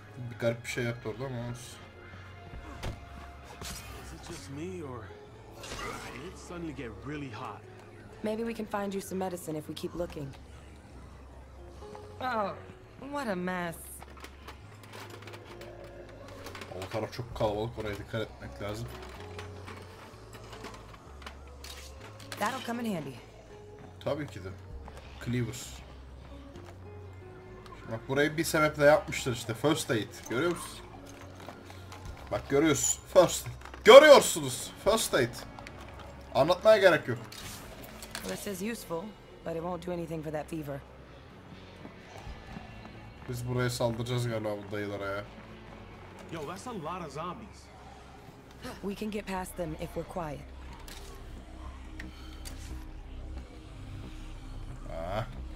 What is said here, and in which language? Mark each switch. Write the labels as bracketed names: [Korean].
[Turkish] Bir garip bir şey yaptı orada ama olsun. [English] Is it just me or did it suddenly get really hot? Maybe we can find you some medicine if we keep looking. Oh, what a mess. [Turkish] O taraf çok kalabalık, oraya dikkat etmek lazım. [English] That'll come in handy. [Turkish] Tabii ki de. Cleavers. Şimdi bak, burayı bir sebeple yapmışlar işte. First aid. Görüyor musun? Bak görüyoruz. First. Görüyorsunuz. First aid. Anlatmaya gerek yok. [English] This is useful, but it won't do anything for that fever. [Turkish] Biz buraya saldıracağız galiba bu dayılara ya. [English] Yo, that's a lot of zombies. We can get past them if we're quiet. Ah.